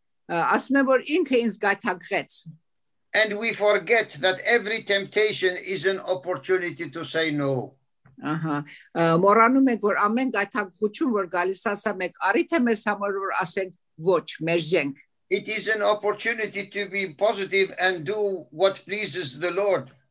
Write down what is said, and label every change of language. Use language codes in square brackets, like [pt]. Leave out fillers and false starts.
[en] And we forget that every temptation is an opportunity to say no. [hy] Մորանում ենք, որ ամեն գայթակղություն, որ գալիս ասա մեկ, առիթ է մեզ համար, որ ասենք ոչ, մերժենք. [en] It is an opportunity to be positive and do what pleases the Lord.